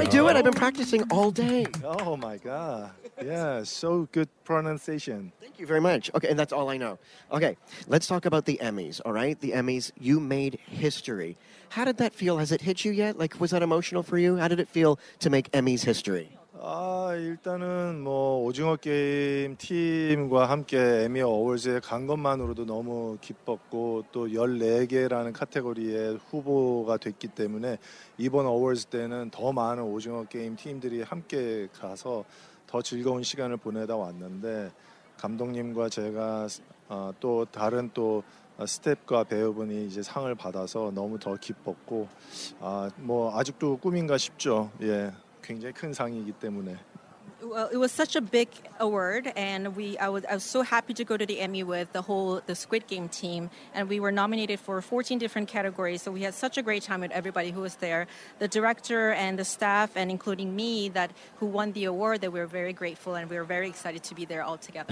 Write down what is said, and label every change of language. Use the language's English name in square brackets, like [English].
[English] I do it. I've been practicing all day. Oh my god. Yeah, so good pronunciation. Thank you very much. Okay, and that's all I know. Okay, let's talk about the Emmys, all right? The Emmys, you made history. How did that feel? Has it hit you yet? Like, was that emotional for you? How did it feel to make Emmys history? [Korean] 일단은 뭐 오징어 게임 팀과 함께 에미 어워즈에 간 것만으로도 너무 기뻤고 또 14개라는 카테고리에 후보가 됐기 때문에 이번 어워즈 때는 더 많은 오징어 게임 팀들이 함께 가서 더 즐거운 시간을 보내다 왔는데 감독님과 제가 또 다른 또 스태프과 배우분이 이제 상을 받아서 너무 더 기뻤고 뭐 아직도 꿈인가 싶죠. 예. 굉장히 큰 상이기 때문에. [English] Well, it was such a big award, and I was so happy to go to the Emmy with the Squid Game team, and we were nominated for 14 different categories, so we had such a great time with everybody who was there, the director and the staff, and including me, that who won the award, that we were very grateful, and we were very excited to be there all together.